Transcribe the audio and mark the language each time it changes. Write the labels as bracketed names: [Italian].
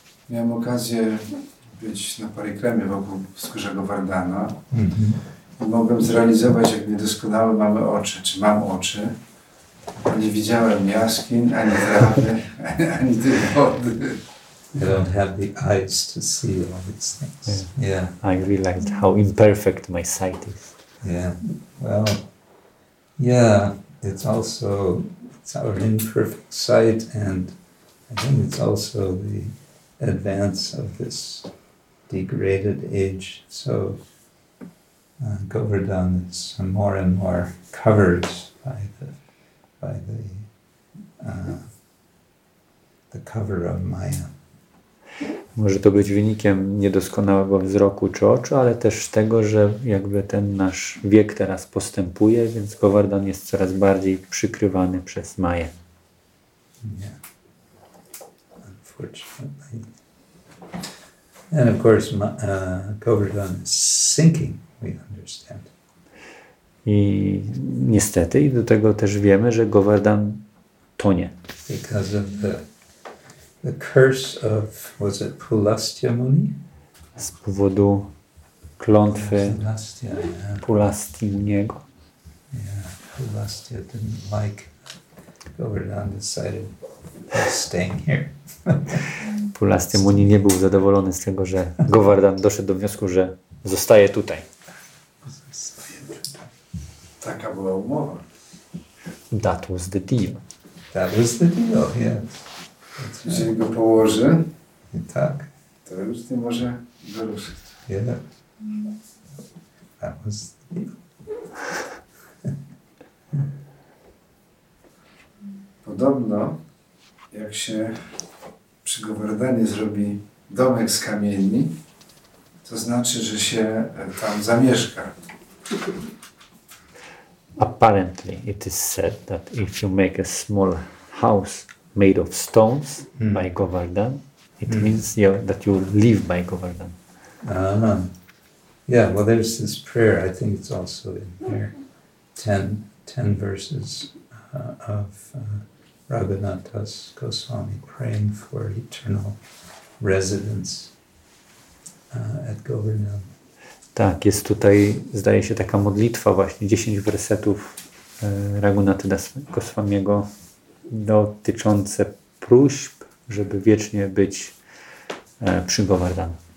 [Polish] Miałem okazję być na parikremie wokół wzgórza Govardhana. I mogłem zrealizować, jak niedoskonałe mamy oczy, czy mam oczy. Nie widziałem jaskiń, ani trawy, ani tej wody. [English] You don't have the eyes to see all these things. Yeah. I realized how imperfect my sight is. Yeah. Well, yeah, it's also it's our imperfect sight, and I think it's also the advance of this degraded age. So Govardhan is more and more covered by the cover of Maya. [Polish] Może to być wynikiem niedoskonałego wzroku czy oczu, ale też tego, że jakby ten nasz wiek teraz postępuje, więc Govardhan jest coraz bardziej przykrywany przez Maję. [English] Yeah. Unfortunately. And of course Govardhan is sinking, we understand. [Polish] I niestety, i do tego też wiemy, że Govardhan tonie. [English] Because of the curse of, was it Pulastya Muni? [Polish] Z powodu klątwy Pulastya Muniego. [English] Yeah, Pulastya didn't like Govardhan, decided he's staying here. [Polish] Pulastya Muni nie był zadowolony z tego, że Govardhan doszedł do wniosku, że zostaje tutaj. Taka była umowa. [English] That was the deal. That was the deal, yeah. [Polish] Jeżeli go położy, i tak, to już nie może wyruszyć. [English] Yeah. That was the deal. [Polish] Podobno, jak się przy Govardhanie zrobi domek z kamieni, to znaczy, że się tam zamieszka. [English] Apparently, it is said that if you make a small house made of stones by Govardhan, it means that you live by Govardhan. Yeah, well, there's this prayer, I think it's also in here, 10 verses of Raghunath Das Goswami praying for eternal residence at Govardhan. [Polish] Tak, jest tutaj, zdaje się, taka modlitwa właśnie, 10 wersetów Raghunatha Das Goswamiego dotyczące próśb, żeby wiecznie być przy Govardhan.